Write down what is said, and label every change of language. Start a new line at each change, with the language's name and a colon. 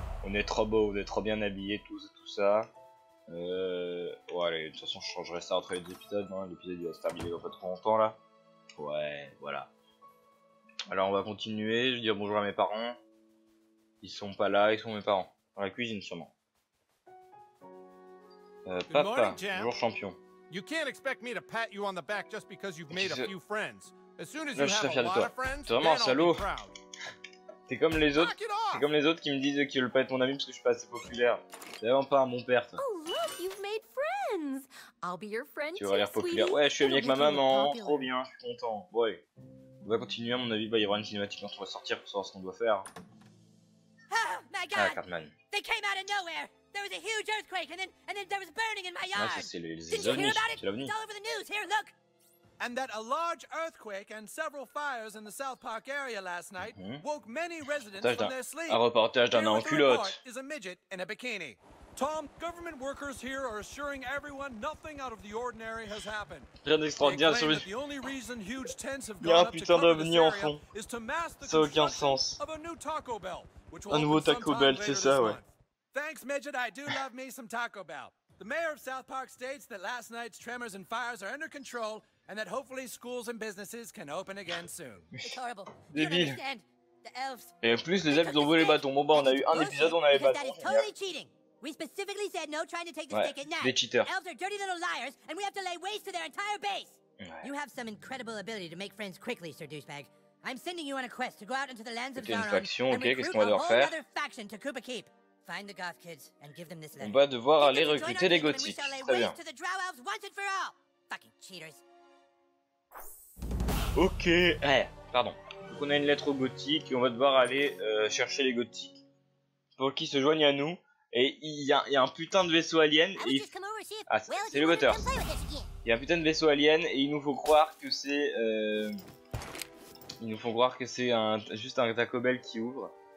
French: On est trop beau, on est trop bien habillé, tout ça. Ouais, allez, de toute façon, je changerai ça entre les deux épisodes. Hein. L'épisode, il va se terminer dans pas trop longtemps là. Ouais, voilà. Alors, on va continuer. Je vais dire bonjour à mes parents. Ils sont pas là, ils sont mes parents. Dans la cuisine, sûrement. Papa, bonjour, champion.
English: You can't expect me to pat you on the back just because you've made a few friends. As soon as you have a lot of friends,
French: t'es vraiment un salaud. T'es comme les autres qui me disent qu'ils veulent pas être mon ami parce que je suis pas assez populaire. C'est vraiment pas un bon père. Toi.
English: Oh look, you've made friends. I'll be your friend.
French: Tu vas l'air populaire. Ouais, je suis ami avec ma maman. Trop bien, je suis content. Ouais. On va continuer à mon avis. Bah, il y aura une cinématique quand on va sortir pour savoir ce qu'on doit faire.
English: Oh my God.
French: Ah, Cartman.
English: They came out of nowhere. There was a huge earthquake and then there was burning in my yard.
French: Ah, c'est les ovnis.
English: Did you hear about it? All over the news. Here, look. And that a large earthquake and several fires in the South Park area last night woke many residents from their sleep.
French: Un reportage d'un en culotte.
English: Is a midget in a bikini. Tom, government workers here are assuring everyone nothing out of the ordinary has happened.
French: Rien d'extraordinaire sur
English: the only reason huge tents have gone up to cover this area is to mask the construction of a new Taco Bell, which will open sometime later this month. Thanks, midget. I do love me some Taco Bell. The mayor of South Park states that last night's tremors and fires are under control, and that hopefully schools and businesses can open again soon. It's horrible. Do you understand?
French: Et en plus, les elfes ont volé les bâtons. Bon, bah, on a eu un épisode, on a les bâtons.
English: We specifically said no trying to take the ticket now.
French: Des cheaters.
English: Elves are dirty little liars, and we have to lay waste to their entire base. You have some incredible ability to make friends quickly, Sir Douchebag. I'm sending you on a quest to go out into the lands of Zaron.
French: Une faction, ok. Qu'est-ce qu'on va devoir faire?
English: Faction to Koopa Keep. Find the Goth kids and give them this letter.
French: On va devoir aller recruter les gothiques. Très bien.
English: To the Drow elves once and for all. Fucking cheaters.
French: Ok. Ouais, pardon. Donc on a une lettre aux gothiques et on va devoir aller chercher les gothiques pour qu'ils se joignent à nous. Et il y a un putain de vaisseau alien. Et c'est le moteur. Il y a un putain de vaisseau alien et il nous faut croire que c'est. Ils nous font croire que c'est juste un Taco Bell qui ouvre.